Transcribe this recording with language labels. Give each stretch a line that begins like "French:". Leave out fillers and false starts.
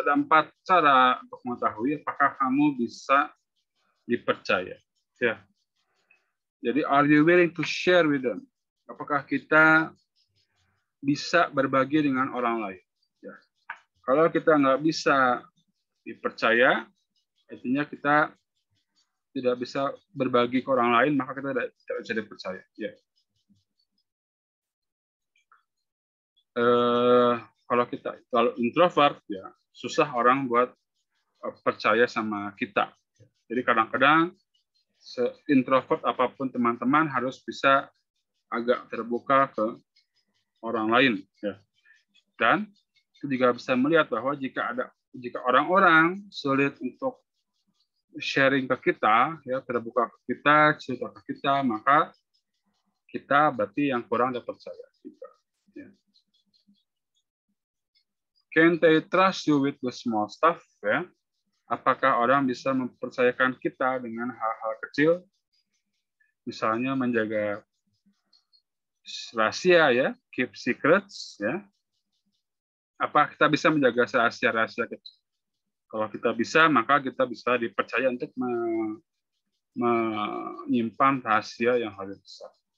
Indonesian: Ada empat cara untuk mengetahui apakah kamu bisa dipercaya. Ya.
English: Jadi are you willing to share with them?
Indonesian: Apakah kita bisa berbagi dengan orang lain? Kalau kita nggak bisa dipercaya, artinya kita tidak bisa berbagi ke orang lain, maka kita tidak bisa dipercaya. Yeah. Kalau kita terlalu introvert, ya susah orang buat percaya sama kita. Jadi kadang-kadang se-introvert apapun teman-teman harus bisa agak terbuka ke orang lain. Yeah. Dan itu juga bisa melihat bahwa jika orang-orang sulit untuk sharing ke kita, ya terbuka ke kita, cerita ke kita, maka kita berarti yang kurang dipercaya. Ya.
English: Can they trust you with the small stuff?
Indonesian: Ya. Apakah orang bisa mempercayakan kita dengan hal-hal kecil? Misalnya menjaga rahasia, ya,
English: keep secrets,
Indonesian: ya. Apa kita bisa menjaga rahasia-rahasia kecil? Kalau kita bisa, maka kita bisa dipercaya untuk menyimpan rahasia yang lebih besar.